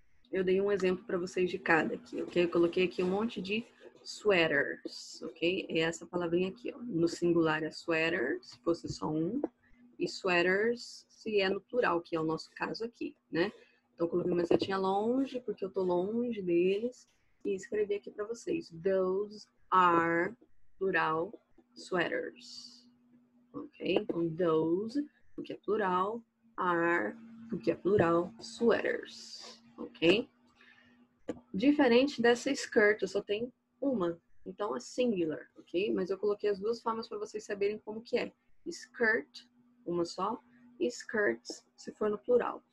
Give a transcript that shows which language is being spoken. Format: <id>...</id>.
<pt>Eu dei um exemplo para vocês de cada aqui, ok? Eu coloquei aqui um monte de sweaters, ok? É essa palavrinha aqui, ó. No singular é sweater, se fosse só um. E sweaters, se é no plural, que é o nosso caso aqui, né? Então, eu coloquei uma setinha longe, porque eu tô longe deles. E escrevi aqui para vocês.</pt> <en>Those are, plural, sweaters. Ok?</en> <pt>Então, those, o que é plural, are, o que é plural, sweaters. Ok? Diferente dessa skirt, eu só tenho uma. Então, é singular, ok? Mas eu coloquei as duas formas para vocês saberem como que é. Skirt, uma só, e skirts, se for no plural.</pt>